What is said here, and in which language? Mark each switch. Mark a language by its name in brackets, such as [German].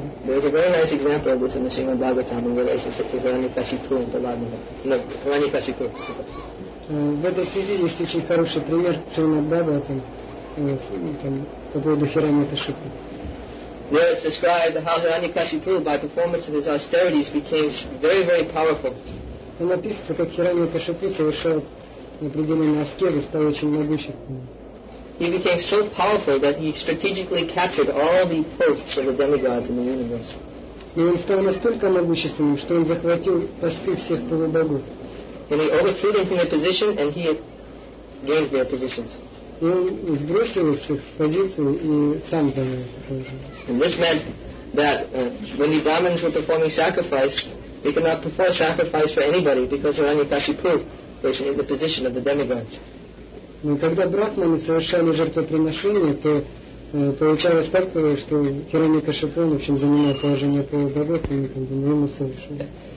[English] There is a very nice example of this in the Srimad Bhagavatam in relationship to Rani Kashipu and Prahladana. No, Rani Kashipu. [Russian] В этой связи есть очень хороший пример Srimad Bhagavatam по поводу Hirani Kashipu. [English] There it's described how Rani Kashipu, by performance of his austerities, became very, very powerful. [Russian] Там описывается, как Hirani Kashipu совершал определенные аскезы, стал очень могущественным. [English] He became so powerful that he strategically captured all the posts of the demigods in the universe. [Russian] И он стал настолько могущественным, что он захватил посты всех полубогов. [English] And he overthrew them from their position, and he had gained their positions. [Russian] И он сбросил их с их позиции и сам занял эту позицию. [English] And this meant that when the brahmins were performing sacrifice, they could not perform sacrifice for anybody because Hirani Kashipu was in the position of the demigods. [Russian] Но когда брахманы совершали жертвоприношение, то получалось так, что Hirani Kashipu, в общем, занимал положение полубогов, и он как бы ему совершил.